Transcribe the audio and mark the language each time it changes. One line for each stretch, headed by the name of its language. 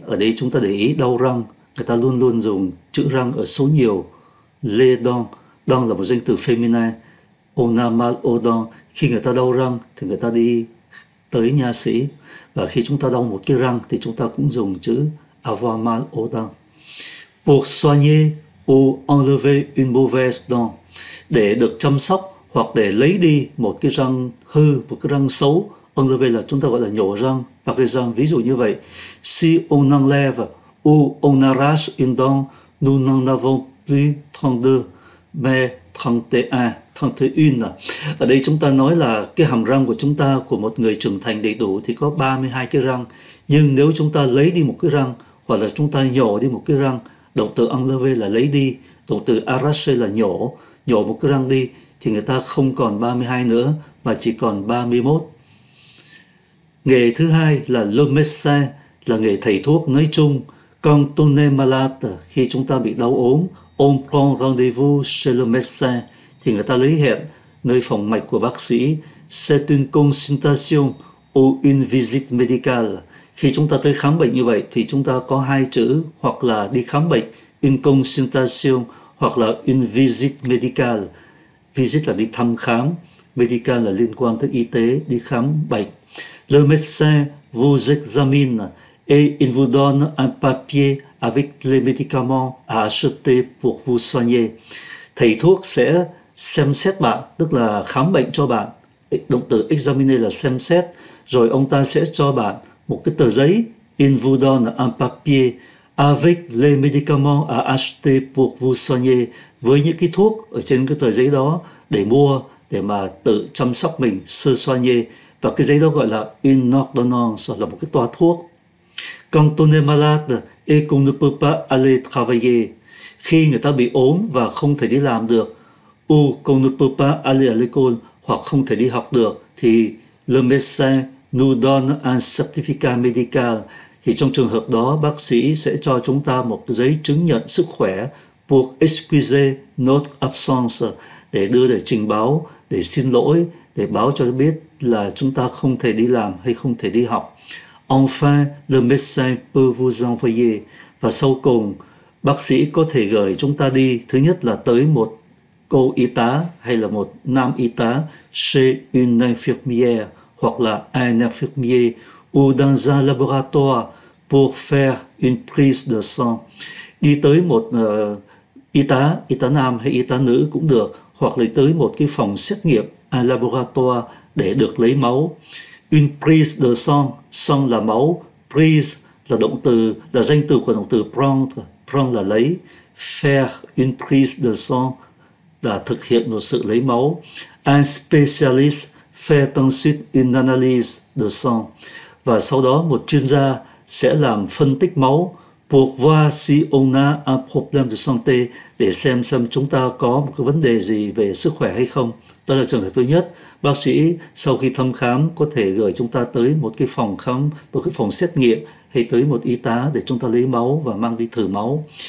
Vietnamese: Ở đây chúng ta để ý đau răng, người ta luôn luôn dùng chữ răng ở số nhiều.
French: Les dents, dents
Vietnamese: là một danh từ
French: feminine. On a mal aux dents.
Vietnamese: Khi người ta đau răng thì người ta đi tới nha sĩ. Và khi chúng ta đau một cái răng thì chúng ta cũng dùng chữ
French: avoir mal aux dents. Pour soigner ou enlever une mauvaise dent.
Vietnamese: Để được chăm sóc hoặc để lấy đi một cái răng hư, một cái răng xấu. Enlever là chúng ta gọi là nhổ răng, bạc cái răng. Ví dụ như vậy,
French: si on enlève ou on arrache une dent, nous n'en avons plus 32, mais 31,
Vietnamese: 31. Ở đây chúng ta nói là cái hàm răng của chúng ta, của một người trưởng thành đầy đủ thì có 32 cái răng. Nhưng nếu chúng ta lấy đi một cái răng, hoặc là chúng ta nhổ đi một cái răng, động từ enlever là lấy đi, động từ arrache là nhổ, nhổ một cái răng đi, thì người ta không còn 32 nữa, mà chỉ còn 31. Nghề thứ hai là le médecin, là nghề thầy thuốc nói chung.
French: Quand on est malade,
Vietnamese: khi chúng ta bị đau ốm,
French: on prend rendez-vous chez le médecin,
Vietnamese: thì người ta lấy hẹn nơi phòng mạch của bác sĩ.
French: C'est une consultation ou une visite médicale.
Vietnamese: Khi chúng ta tới khám bệnh như vậy, thì chúng ta có hai chữ, hoặc là đi khám bệnh, une consultation, hoặc là une visite médicale. Visite là đi thăm khám, médicale là liên quan tới y tế, đi khám bệnh.
French: Le médecin vous examine et il vous donne un papier avec les médicaments à acheter pour vous soigner.
Vietnamese: Thầy thuốc sẽ xem xét bạn, tức là khám bệnh cho bạn. Động từ examiner là xem xét. Rồi ông ta sẽ cho bạn một cái tờ giấy.
French: Il vous donne un papier avec les médicaments à acheter pour vous soigner.
Vietnamese: Với những cái thuốc ở trên cái tờ giấy đó để mua, để mà tự chăm sóc mình, sơ soigner. Và cái giấy đó gọi là une ordonnance, là một cái toa thuốc.
French: Quand on est malade et qu'on ne peut pas aller travailler.
Vietnamese: Khi người ta bị ốm và không thể đi làm được,
French: ou qu'on ne peut pas aller à l'école,
Vietnamese: hoặc không thể đi học được, thì
French: le médecin nous donne un certificat médical.
Vietnamese: Thì trong trường hợp đó, bác sĩ sẽ cho chúng ta một giấy chứng nhận sức khỏe
French: pour excuser notre absence,
Vietnamese: để đưa để trình báo, để xin lỗi, để báo cho biết là chúng ta không thể đi làm hay không thể đi học.
French: Enfin, le médecin peut vous envoyer.
Vietnamese: Và sau cùng, bác sĩ có thể gửi chúng ta đi, thứ nhất là tới một cô y tá hay là một nam y tá,
French: chez une infirmière,
Vietnamese: hoặc là un infirmier,
French: ou dans un laboratoire pour faire une prise de sang.
Vietnamese: Đi tới một y tá nam hay y tá nữ cũng được, hoặc là tới một cái phòng xét nghiệm, un laboratoire, để được lấy máu.
French: Une prise de sang,
Vietnamese: sang là máu, prise là động từ, là danh từ của động từ prendre, prendre là lấy.
French: Faire une prise de sang,
Vietnamese: là thực hiện một sự lấy máu.
French: Un spécialiste fait ensuite une analyse de sang.
Vietnamese: Và sau đó một chuyên gia sẽ làm phân tích máu
French: pour voir si on a un problème de santé,
Vietnamese: để xem chúng ta có một cái vấn đề gì về sức khỏe hay không. Đó là trường hợp thứ nhất. Bác sĩ sau khi thăm khám có thể gửi chúng ta tới một cái phòng khám, một cái phòng xét nghiệm hay tới một y tá để chúng ta lấy máu và mang đi thử máu.